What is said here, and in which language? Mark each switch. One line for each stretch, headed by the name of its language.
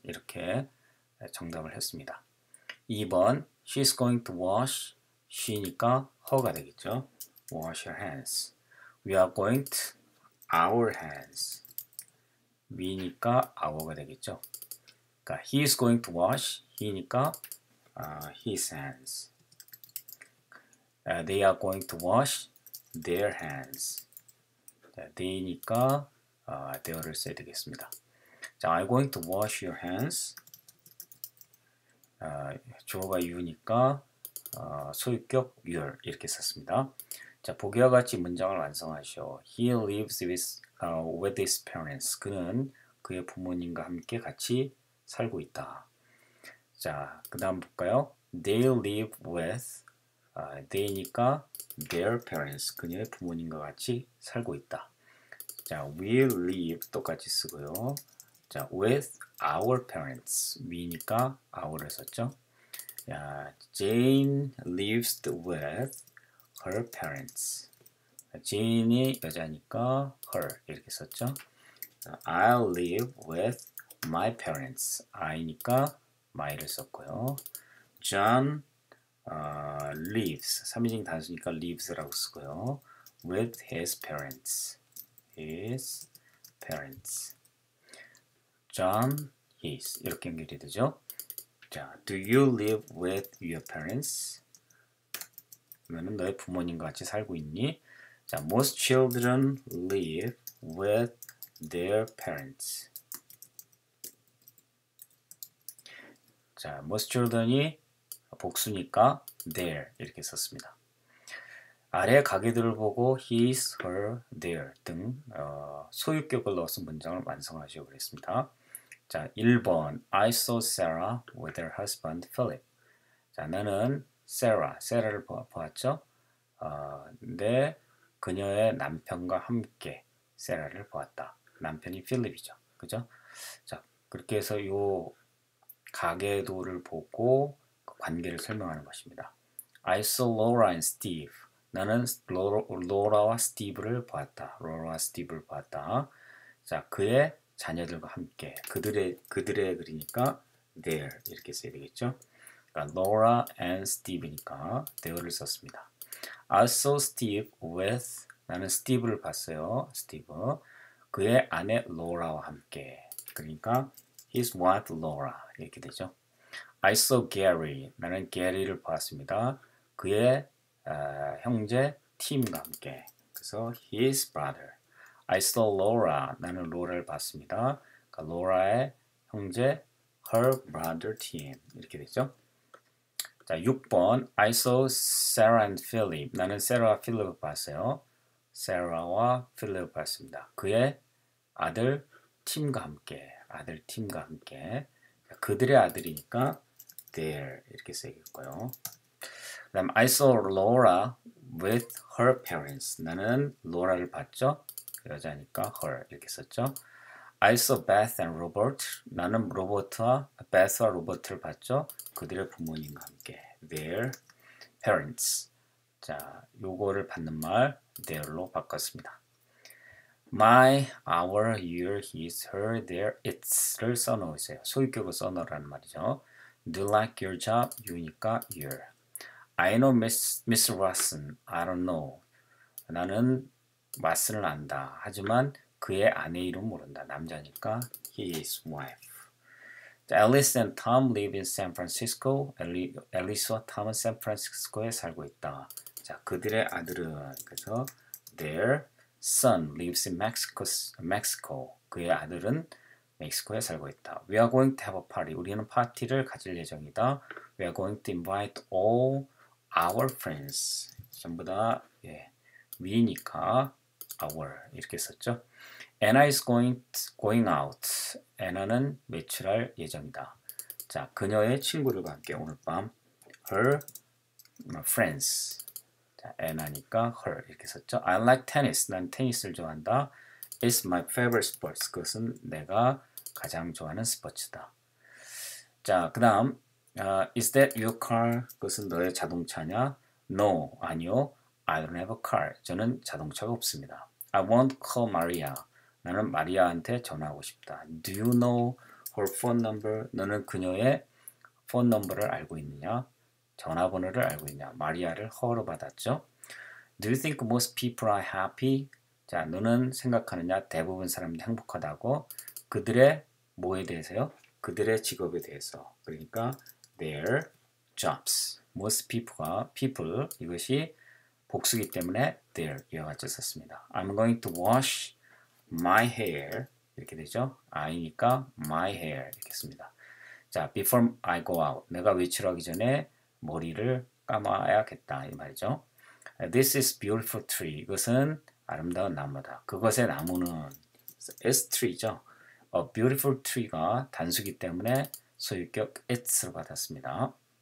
Korean: 이렇게 정답을 했습니다. 2번
English: She's going to wash.
Korean: She니까 her가 되겠죠.
English: Wash your hands. We are going to our hands.
Korean: We니까 our가 되겠죠. 그러니까
English: he is going to wash. He니까 his hands. They are going to wash their hands.
Korean: They니까 their를 써야 되겠습니다. 자,
English: I'm going to wash your hands.
Korean: 주어가 you니까 소유격 your 이렇게 썼습니다. 자, 보기와 같이 문장을 완성하시오.
English: He lives with his parents.
Korean: 그는 그의 부모님과 함께 같이 살고 있다. 자, 그 다음 볼까요?
English: They live with
Korean: they니까
English: their parents.
Korean: 그녀의 부모님과 같이 살고 있다. 자,
English: we live
Korean: 똑같이 쓰고요.
English: 자, with our parents. we니까 our를
Korean: 썼죠.
English: 자, Jane lives with her parents.
Korean: Jane이 여자니까 her 이렇게 썼죠.
English: I live with my parents.
Korean: I니까 my를 썼고요.
English: John lives.
Korean: 3인칭 단수니까 lives라고 쓰고요.
English: With his parents.
Korean: His parents. John is 이렇게 연결이 되죠. 자,
English: Do you live with your parents?
Korean: 그러면 너의 부모님과 같이 살고 있니? 자,
English: Most children live with their parents.
Korean: 자, most children이 복수니까 their 이렇게 썼습니다. 아래 가게들을 보고 his, her, their 등 소유격을 넣어서 문장을 완성하시오 그랬습니다. 자, 1번
English: I saw Sarah with her husband Philip.
Korean: 자, 나는 Sarah를 보았죠. 내 그녀의 남편과 함께 Sarah를 보았다. 남편이 필립이죠. 그죠? 자, 그렇게 해서 요 가계도를 보고 그 관계를 설명하는 것입니다. I saw Laura and Steve. 나는 로라와 스티브를 보았다. 로라와 스티브를 보았다. 자, 그의 자녀들과 함께 그들의 그리니까
English: their
Korean: 이렇게 써야 되겠죠. 그러니까 Laura and Steve니까 their를 썼습니다.
English: I saw Steve with
Korean: 나는 스티브를 봤어요. 스티브 그의 아내 로라와 함께 그러니까
English: his wife Laura
Korean: 이렇게 되죠.
English: I saw Gary
Korean: 나는 Gary를 보았습니다. 그의 형제 팀과 함께 그래서
English: his brother. I saw Laura.
Korean: 나는 로라를 봤습니다. 그러니까 로라의 형제,
English: her brother Tim
Korean: 이렇게 되죠. 자, 6번
English: I saw Sarah and Philip.
Korean: 나는 Sarah와 Philip을 봤어요. Sarah와 Philip을 봤습니다. 그의 아들 Tim과 함께, 아들 Tim과 함께 그들의 아들이니까 their 이렇게 쓰겠고요.
English: 그다음 I saw Laura with her parents.
Korean: 나는 로라를 봤죠. 여자니까 her 이렇게 썼죠.
English: I saw Beth and Robert.
Korean: 나는 Beth와 Robert를 봤죠. 그들의 부모님과 함께
English: their parents.
Korean: 자, 요거를 받는 말 their로 바꿨습니다. My, our, your, his, her, their, its를 써놓으세요. 소유격을 써놓으라는 말이죠.
English: Do like your job?
Korean: You니까 your.
English: I know Mr. Watson. I don't know.
Korean: 나는 마슨을 안다. 하지만 그의 아내 이름 모른다. 남자니까 his wife.
English: Alice and Tom live in San Francisco.
Korean: Alice와 Tom은 샌프란시스코에 살고 있다. 자, 그들의 아들은 그래서
English: their son lives in Mexico.
Korean: 그의 아들은 멕시코에 살고 있다.
English: We are going to have a party.
Korean: 우리는 파티를 가질 예정이다.
English: We are going to invite all our friends.
Korean: 전부 다 예,
English: we니까 our
Korean: 이렇게 썼죠.
English: Anna is going out.
Korean: Anna는 외출할 예정이다. 자, 그녀의 친구들과 함께 오늘 밤
English: her friends.
Korean: 자, and 하니까 her 이렇게 썼죠.
English: I like tennis.
Korean: 난 테니스를 좋아한다.
English: It's my favorite sport.
Korean: 그것은 내가 가장 좋아하는 스포츠다. 자, 그 다음
English: is that your car?
Korean: 그것은 너의 자동차냐? No, 아니요.
English: I don't have a car.
Korean: 저는 자동차가 없습니다.
English: I won't call Maria.
Korean: 나는 마리아한테 전화하고 싶다.
English: Do you know her phone number?
Korean: 너는 그녀의
English: phone number
Korean: 를 알고 있느냐? 전화번호를 알고 있냐? 마리아를 허로 받았죠.
English: Do you think most people are happy?
Korean: 자, 너는 생각하느냐? 대부분 사람들이 행복하다고. 그들의 뭐에 대해서요? 그들의 직업에 대해서. 그러니까
English: their jobs.
Korean: Most people가 people 이것이 복수기 때문에 their 이와 같이 썼습니다.
English: I'm going to wash my hair
Korean: 이렇게 되죠. I니까
English: my hair
Korean: 이렇게 씁니다. 자,
English: before I go out
Korean: 내가 외출하기 전에 머리를 감아야겠다 이 말이죠.
English: This is beautiful tree
Korean: 이것은 아름다운 나무다. 그것의 나무는
English: it's tree
Korean: 죠.
English: A beautiful tree
Korean: 가 단수기 때문에 소유격 it's로 받았습니다.